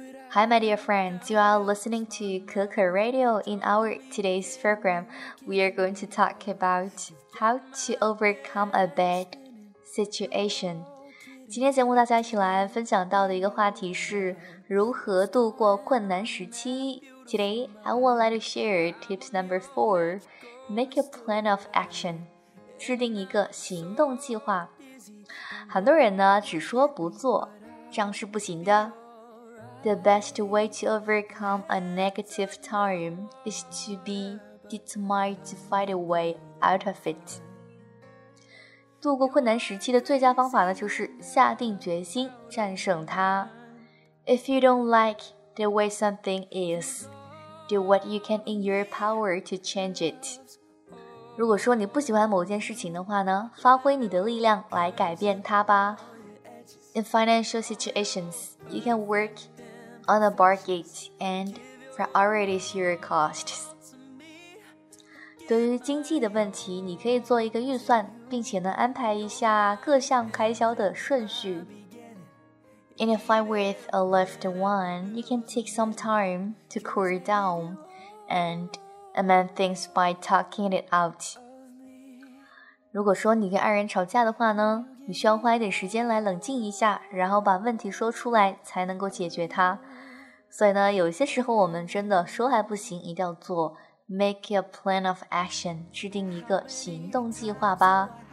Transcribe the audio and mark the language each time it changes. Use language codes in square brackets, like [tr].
[en] Hi, my dear friends, you are listening to Keke Radio. In our today's program, we are going to talk about how to overcome a bad situation. [zh] 今天节目大家一起来分享到的一个话题是如何度过困难时期。 [en] Today, I would like to share tips number 4, make a plan of action, [zh] 制定一个行动计划。很多人呢只说不做，这样是不行的。 [en] The best way to overcome a negative time is to be determined to find a way out of it. [zh] 度过困难时期的最佳方法呢，就是下定决心战胜它。 [en] If you don't like the way something is, do what you can in your power to change it. [zh] 如果说你不喜欢某件事情的话呢，发挥你的力量来改变它吧。 [en] In financial situations, you can work on a bargain and prioritize your costs. [zh] 对于经济的问题，你可以做一个预算，并且呢安排一下各项开销的顺序。 [en] And if I'm with a loved one, you can take some time to cool down and amend things by talking it out. [zh] 如果说你跟爱人吵架的话呢，你需要花一点时间来冷静一下，然后把问题说出来，才能够解决它。所以呢，有些时候我们真的说还不行，一定要做 [en] make a plan of action， [zh] 制定一个行动计划吧。